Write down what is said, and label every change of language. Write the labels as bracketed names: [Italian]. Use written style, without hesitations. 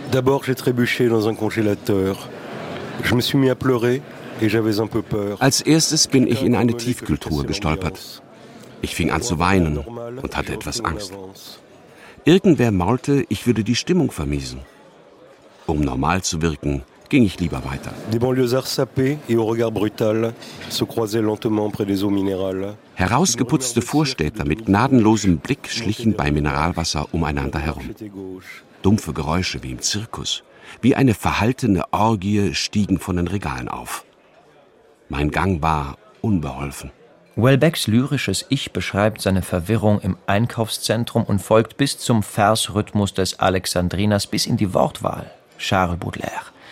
[French] D'abord j'ai trébuché dans un congélateur. Je me suis mis à pleurer et j'avais un peu peur. [German] Als erstes bin ich in eine Tiefkühltruhe gestolpert. Ich fing an zu weinen und hatte etwas Angst. Irgendwer maulte, ich würde die Stimmung vermiesen. Um normal zu wirken, ging ich lieber weiter. [French] Des banlieusards sapés et au regard brutal se croisaient lentement près des eaux minérales. [German] Herausgeputzte Vorstädter mit gnadenlosem Blick schlichen bei Mineralwasser umeinander herum. Dumpfe Geräusche wie im Zirkus, wie eine verhaltene Orgie, stiegen von den Regalen auf. Mein Gang war unbeholfen. Houellebecqs lyrisches Ich beschreibt seine Verwirrung im Einkaufszentrum und folgt bis zum Versrhythmus des Alexandriners bis in die Wortwahl, Charles Baudelaire.